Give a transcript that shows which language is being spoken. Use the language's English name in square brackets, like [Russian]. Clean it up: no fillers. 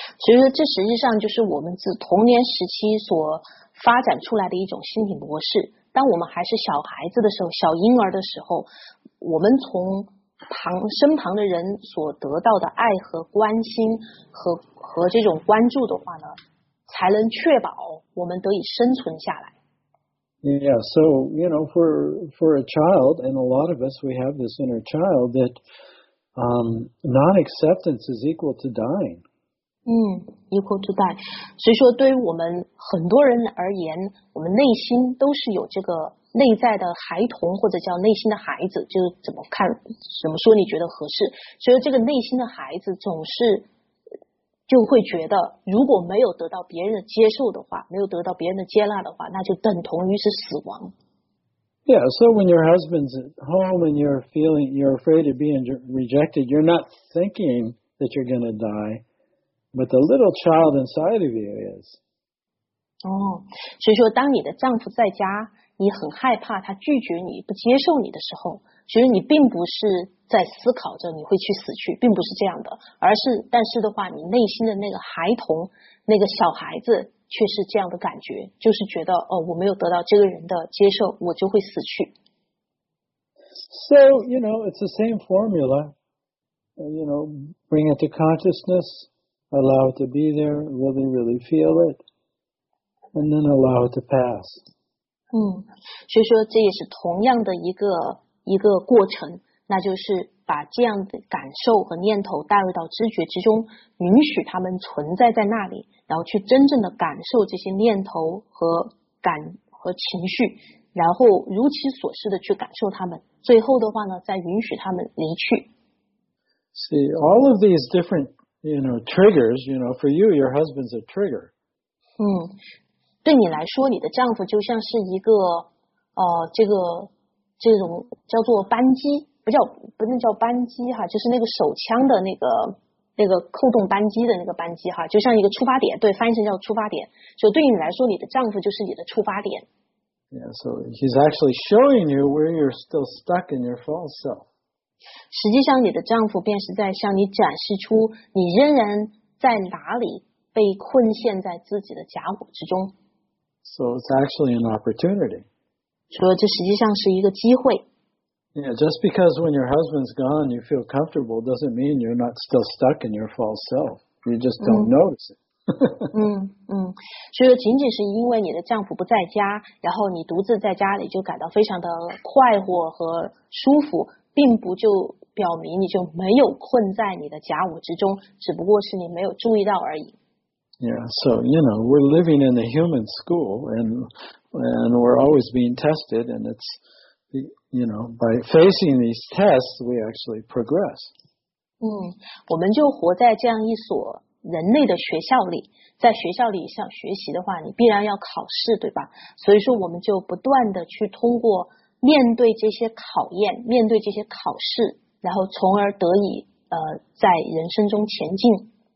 [Chinese] 所以说这实际上就是我们自童年时期所发展出来的一种心理模式。当我们还是小孩子的时候，小婴儿的时候，我们从身旁的人所得到的爱和关心和这种关注的话呢，才能确保我们得以生存下来。 [English] Yeah, so, you know, for a child, and a lot of us, we have this inner child that non-acceptance is equal to dying. Equal to dying. [Chinese] 所以说对于我们很多人而言，我们内心都是有这个内在的孩童或者叫内心的孩子，就是怎么看，怎么说你觉得合适。所以这个内心的孩子总是就会觉得如果没有得到别人的接受的话，没有得到别人的接纳的话，那就等同于是死亡。 [English] Yeah, so when your husband's at home and you're afraid of being rejected, you're not thinking that you're going to die, but the little child inside of you is. [Chinese] 所以说当你的丈夫在家，你很害怕他拒绝你，不接受你的时候，其实你并不是在思考着你会去死去，并不是这样的，但是的话，你内心的那个孩童，那个小孩子却是这样的感觉，就是觉得哦，我没有得到这个人的接受，我就会死去。 [English] So, you know, it's the same formula. You know, bring it to consciousness, allow it to be there, really, really feel it, and then allow it to pass. [Chinese] 所以说这也是同样的一个过程。那就是把这样的感受和念头带入到知觉之中，允许他们存在在那里，然后去真正的感受这些念头和感和情绪，然后如其所示的去感受他们，最后的话呢，再允许他们离去。 [English] See, all of these different, you know, triggers, you know, for you, your husband's a trigger. [Chinese] 对你来说，你的丈夫就像是一个这种叫做扳机。不能叫扳机哈，就是那个手枪的那个扣动扳机的那个扳机哈，就像一个出发点，对，翻译成叫出发点。所以对于你来说，你的丈夫就是你的出发点。 [English] Yeah, so he's actually showing you where you're still stuck in your false self. [Chinese] 实际上，你的丈夫便是在向你展示出你仍然在哪里被困陷在自己的假我之中。 [English] So it's actually an opportunity. [Chinese] 所以这实际上是一个机会。 [English] Yeah, just because when your husband's gone, you feel comfortable doesn't mean you're not still stuck in your false self. You just don't notice it. [Chinese] 所以仅仅是因为你的丈夫不在家，然后你独自在家里就感到非常的快活和舒服，并不就表明你就没有困在你的假我之中，只不过是你没有注意到而已。 [English] Yeah, so, you know, we're living in the human school and we're always being tested and it's... You know, by facing these tests, we actually progress. [Chinese] 我们就活在这样一所人类的学校里，在学校里想学习的话，你必然要考试，对吧？所以说，我们就不断的去通过面对这些考验，面对这些考试，然后从而得以在人生中前进。